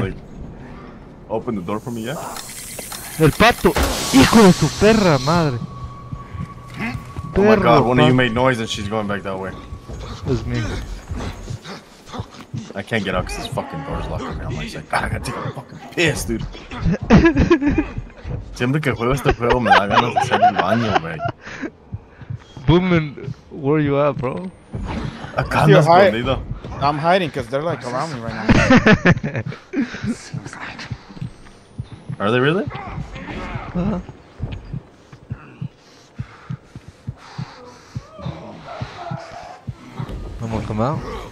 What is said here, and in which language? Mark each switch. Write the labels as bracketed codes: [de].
[en] Like, open the door for me, yeah? [es] El pato, hijo de su perra madre. [en] Oh my god, one of you made noise and she's going back that way. That's me. I can't get out because this fucking door's locked right now. I'm like, God, I gotta take a fucking piss, dude. [es] Siempre que juego este juego, me da ganas de salir del baño, wey. [en] Boomin, where you at, bro? [es] Acá escondido. [en] I'm hiding because they're like around me right now. Are they really? I'm gonna come out.